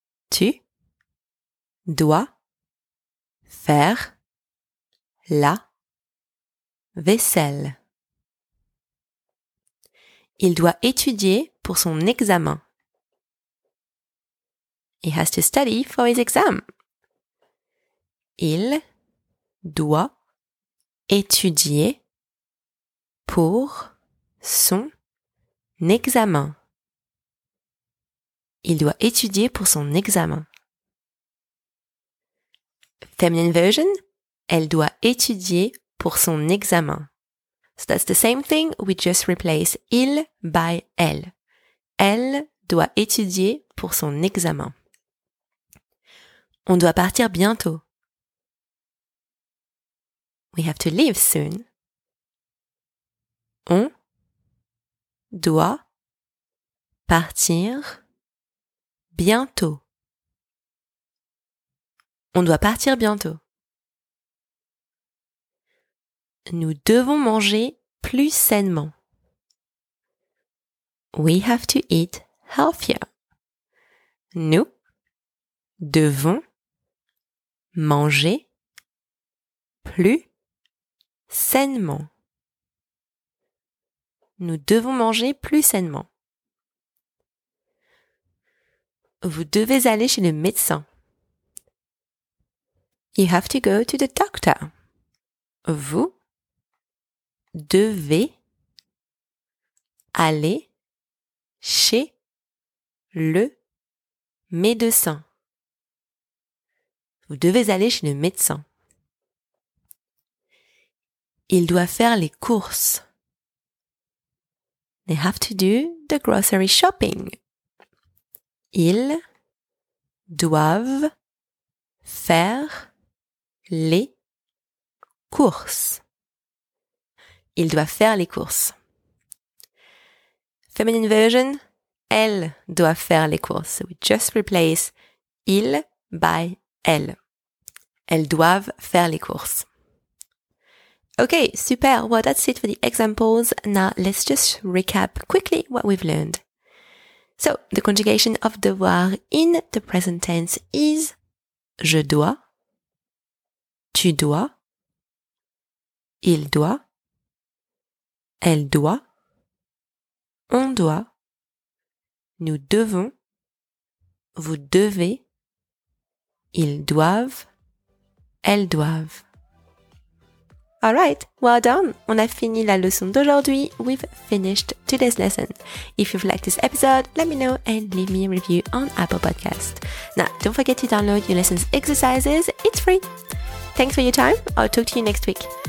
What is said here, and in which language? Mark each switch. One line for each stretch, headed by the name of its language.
French: Tu dois faire la vaisselle. Il doit étudier pour son examen.
English: He has to study for his exam.
French: Il doit étudier pour son examen. Il doit étudier pour son examen.
English: Feminine version.
French: Elle doit étudier pour son examen.
English: So that's the same thing. We just replace il by elle.
French: Elle doit étudier pour son examen. On doit partir bientôt.
English: We have to leave soon.
French: On doit partir bientôt. On doit partir bientôt. Nous devons manger plus sainement.
English: We have to eat healthier.
French: Nous devons manger plus sainement. Nous devons manger plus sainement. Vous devez aller chez le médecin.
English: You have to go to the doctor.
French: Vous devez aller chez le médecin. Vous devez aller chez le médecin. Il doit faire les courses.
English: They have to do the grocery shopping.
French: Ils doivent faire les courses. Ils doivent faire les courses.
English: Feminine version.
French: Elles doivent faire les courses.
English: So we just replace il by elle.
French: Elles doivent faire les courses.
English: Okay, super. Well, that's it for the examples. Now, let's just recap quickly what we've learned. So, the conjugation of devoir in the present tense is
French: je dois, tu dois, il doit, elle doit, on doit, nous devons, vous devez, ils doivent, elles doivent.
English: Alright, well done!
French: On a fini la leçon d'aujourd'hui.
English: We've finished today's lesson. If you've liked this episode, let me know and leave me a review on Apple Podcasts. Now, don't forget to download your lessons exercises. It's free! Thanks for your time. I'll talk to you next week.